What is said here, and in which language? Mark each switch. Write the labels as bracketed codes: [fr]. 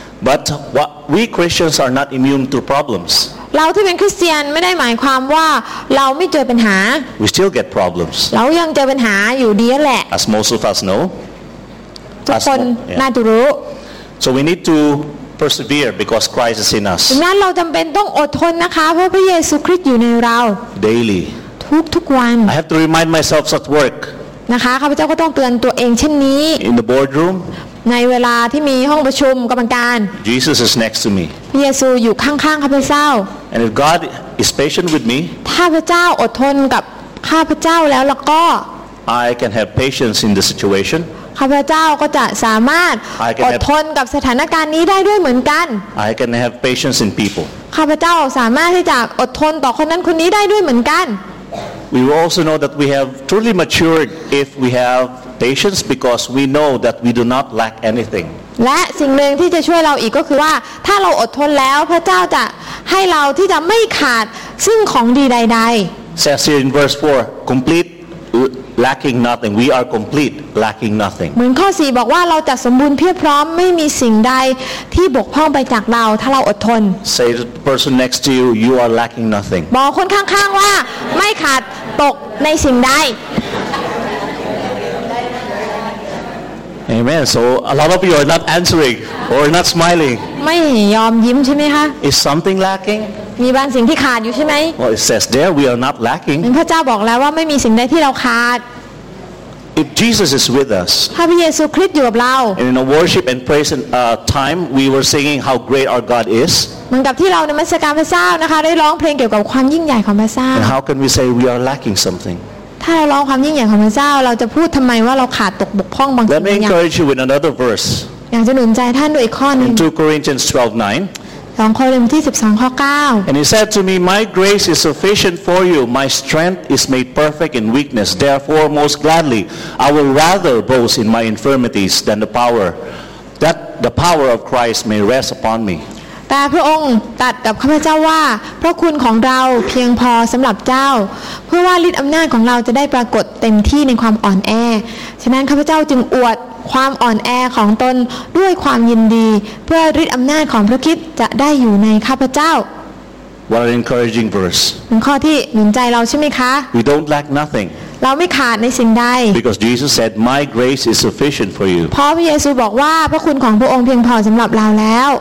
[en] But what we Christians are not immune to problems [th] เราที่เป็นคริสเตียนไม่ได้หมายความว่าเราไม่เจอปัญหา [en] We still get problems [th] เรายังเจอปัญหาอยู่ดีแหละ [en] As most of us know [th] ทุกคน yeah. น่าจะรู้ [en] So we need to persevere because Christ is in us [th] ดังนั้นเราจำเป็นต้องอดทนนะคะเพราะพระเยซูคริสต์อยู่ในเรา [en] DailyI have to remind myself at work. [th] นะคะข้าพเจ้าก็ต้องเตือนตัวเองเช่นนี้ [en] In the boardroom. [th] ในเวลาที่มีห้องประชุมกรรมการ [en] Jesus is next to me. [th] พระเยซูอยู่ข้างๆข้าพเจ้า [en] And if God is patient with me. [th] ถ้าพระเจ้าอดทนกับข้าพเจ้าแล้วก็ [en] I can have patience in the situation. [th] ข้าพเจ้าก็จะสามารถอดทนกับสถานการณ์นี้ได้ด้วยเหมือนกัน [en] I can have patience in people. [th] ข้าพเจ้าสามารถที่จะอดทนต่อคนนั้นคนนี้ได้ด้วยเหมือนกัน [en] We also know that we have truly matured if we have patience because we know that we do not lack anything. [th] และสิ่งหนึ่งที่จะช่วยเราอีกก็คือว่าถ้าเราอดทนแล้วพระเจ้าจะให้เราที่จะไม่ขาดซึ่งของดีใดๆ [en] Says here in verse 4 complete lacking nothing we are complete lacking nothing [th] เหมือนข้อ4บอกว่าเราจะสมบูรณ์เพียบพร้อมไม่มีสิ่งใดที่บกพร่องไปจากเราถ้าเราอดทน [en] Say to the person next to you are lacking nothing [th] บอกคนข้างๆว่าไม่ขาดตกในสิ่งใด [en] Amen. So a lot of you are not answering or not smiling. [th] ไม่ยอมยิ้มใช่ไหมคะ [en] Is something lacking? [th] มีบางสิ่งที่ขาดอยู่ใช่ไหม [en] Well, it says there we are not lacking. [th] พระเจ้าบอกแล้วว่าไม่มีสิ่งใดที่เราขาด [en] If Jesus is with us, [th] ถ้าพระเยซูคริสต์อยู่กับเรา [en] And in a worship and praise and time, we were singing how great our God is. [th] เหมือนกับที่เราในมรดกพระเจ้านะคะได้ร้องเพลงเกี่ยวกับความยิ่งใหญ่ของพระเจ้า [en] And how can we say we are lacking something? [th] ถ้าเราร้องความยิ่งใหญ่ของพระเจ้าเราจะพูดทำไมว่าเราขาดตกบกพร่องบางสิ่งบางอย่าง [en] Let me encourage you with another verse [th] อยากจะหนุนใจท่านด้วยอีกข้อนึง [en] 2 Corinthians 12:9 [th] 2 โครินธ์ที่ 12 ข้อ 9 [en] And he said to me my grace is sufficient for you my strength is made perfect in weakness therefore most gladly I will rather boast in my infirmities than the power that the power of Christ may rest upon me [th] แต่พระองค์ตัดกับข้าพเจ้าว่าพระคุณของเราเพียงพอสำหรับเจ้าเพื่อว่าฤทธิ์อำนาจของเราจะได้ปรากฏเต็มที่ในความอ่อนแอฉะนั้นข้าพเจ้าจึงอวดความอ่อนแอของตนด้วยความยินดีเพื่อฤทธิ์อำนาจของพระคริสต์จะได้อยู่ในข้าพเจ้า [en] What an encouraging verse [th] เป็นข้อที่หนุนใจเราใช่ไหมคะ [en] We don't lack nothing [th] เราไม่ขาดในสิ่งใด [en] Because Jesus said my grace is sufficient for you [th] เพราะพระเยซูบอกว่าพระคุณของพระองค์เพียงพอสำหรับเราแล้ว